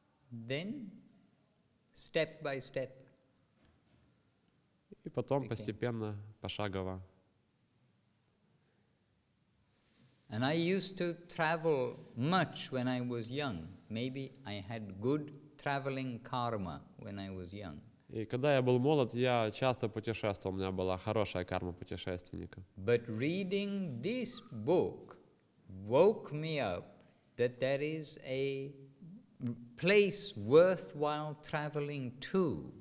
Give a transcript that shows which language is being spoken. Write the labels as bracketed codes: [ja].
[en] Then, step by step. [ru] И потом постепенно, пошагово. [en] And I used to travel much when I was young. Maybe I had good traveling karma when I was young. [ru] И когда я был молод, я часто путешествовал, у меня была хорошая карма путешественника. [en] But reading this book woke me up that there is a place worthwhile traveling to.